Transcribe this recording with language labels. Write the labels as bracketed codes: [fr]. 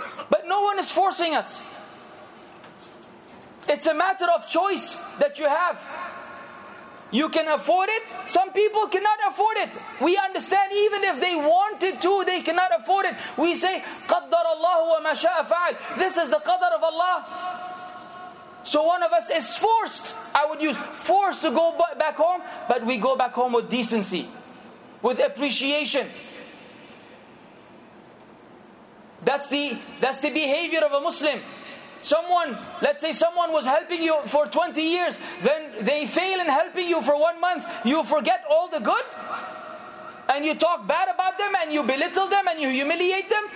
[en] But no one is forcing us. It's a matter of choice that you have. You can afford it. Some people cannot afford it. We understand even if they wanted to, they cannot afford it. We say, [ar] قَدَّرَ اللَّهُ وَمَا شَاءَ فَعَلْ. [en] This is the qadr of Allah. So one of us is forced, I would use forced, to go back home. But we go back home with decency, with appreciation. That's the behavior of a Muslim. Let's say someone was helping you for 20 years, then they fail in helping you for 1 month, you forget all the good, and you talk bad about them, and you belittle them, and you humiliate them?